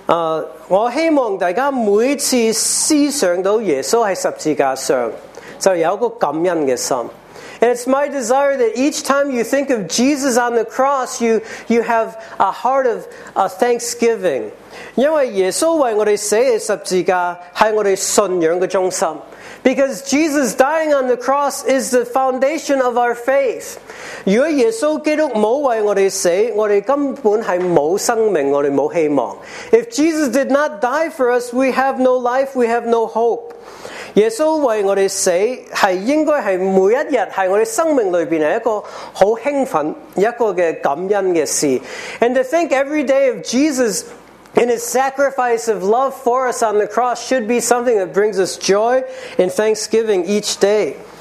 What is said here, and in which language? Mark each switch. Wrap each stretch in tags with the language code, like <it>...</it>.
<zh>我希望大家每次思想到耶稣在十字架上，就有一个感恩的心。</zh> <en>It's my desire that each time you think of Jesus on the cross, you have a heart of a thanksgiving.</en> <zh>因为耶稣为我们死的十字架是我们信仰的中心。</zh> <en>Because Jesus dying on the cross is the foundation of our faith.</en> <zh>如果耶稣基督没为我们死，我们根本是没生命，我们没希望。</zh> <en>If Jesus did not die for us, we have no life, we have no hope.</en> <zh>耶稣为我们死，是应该是每一天是我们生命里面一个很兴奋，一个感恩的事。</zh> <en>And to think every day of Jesus in his sacrifice of love for us on the cross should be something that brings us joy and thanksgiving each day.</en>